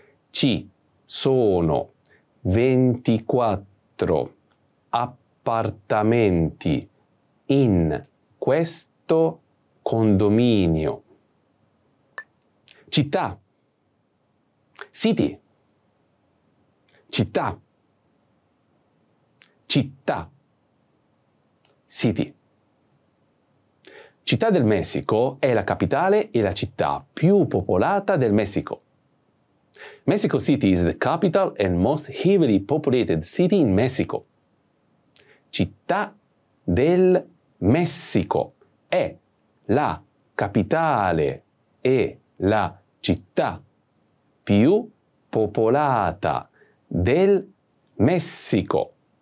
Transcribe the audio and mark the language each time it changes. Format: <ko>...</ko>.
<it>Ci sono 24 appartamenti in questo condominio. Città.</it> <en>City.</en> <it>Città. Città.</it> <en>City.</en> <it>Città del Messico è la capitale e la città più popolata del Messico.</it> <en>Mexico City is the capital and most heavily populated city in Mexico.</en> <it>Città del Messico è la capitale e la città più popolata del Messico.</it>